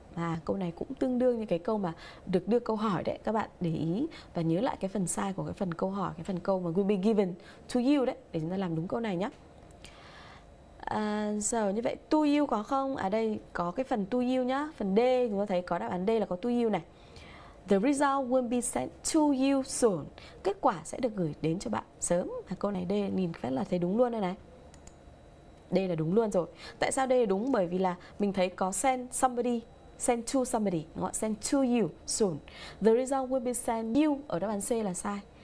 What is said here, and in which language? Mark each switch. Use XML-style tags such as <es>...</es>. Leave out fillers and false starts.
<vi>À, câu này cũng tương đương như cái câu mà được đưa câu hỏi đấy, các bạn để ý và nhớ lại cái phần sai của cái phần câu hỏi, cái phần câu mà</vi> <en>will be given to you</en> <vi>đấy, để chúng ta làm đúng câu này nhé. Giờ như vậy to you có không? Ở đây có cái phần to you nhá, phần D chúng ta thấy có đáp án D là có to you này.</vi> <en>The result will be sent to you soon.</en> <vi>Kết quả sẽ được gửi đến cho bạn sớm. À, câu này D nhìn phép là thấy đúng luôn đây này. D là đúng luôn rồi. Tại sao D là đúng? Bởi vì là mình thấy có</vi> <en>send somebody, send to somebody,</en> <vi>đúng không?</vi> <en>Send to you soon. The result will be sent you</en> <vi>ở đáp án C là sai.</vi>